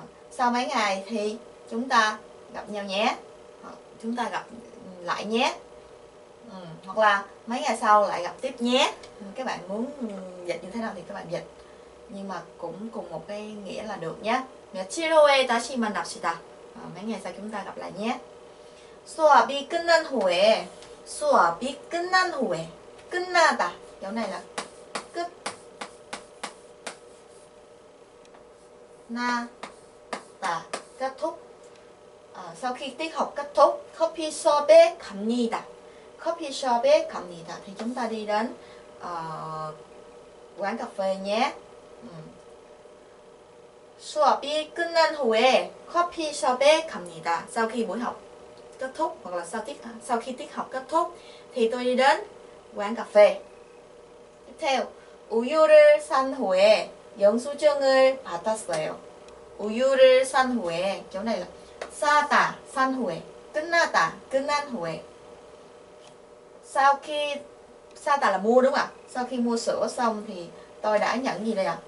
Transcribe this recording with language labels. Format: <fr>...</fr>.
<vi>Sau mấy ngày thì chúng ta gặp nhau nhé. Chúng ta gặp lại nhé. Hoặc là mấy ngày sau lại gặp tiếp nhé. Các bạn muốn dịch như thế nào thì các bạn dịch, nhưng mà cũng cùng một cái nghĩa là được nhé.</vi> <ko>며칠 후에 다시 만납시다.</ko> <vi>Mấy ngày sau chúng ta gặp lại nhé.</vi> <ko>수업이 끝난 후에 수업이 끝난 후에 끝나다.</ko> <vi>Chỗ này là</vi> <ko>끝 나다</ko> <vi>kết thúc. Sau khi tiết học kết thúc,</vi> <ko>coffee shop에 갑니다. Coffee shop에 갑니다</ko> <vi>thì chúng ta đi đến quán cà phê nhé.</vi> <ko>수업이 끝난 후에 coffee shop에 갑니다.</ko> <vi>Sau khi buổi học kết thúc hoặc là sau khi tiết học kết thúc thì tôi đi đến quán cà phê. Tiếp theo,</vi> <ko>우유를 산 후에 영수증을 받았어요. 우유를 산 후에</ko> <vi>chỗ này là</vi> <ko>사다, 산 후에, 끝나다, 끝난 후에.</ko> <vi>Sau khi 사다 là mua đúng không ạ? Sau khi mua sữa xong thì tôi đã nhận gì đây ạ?</vi>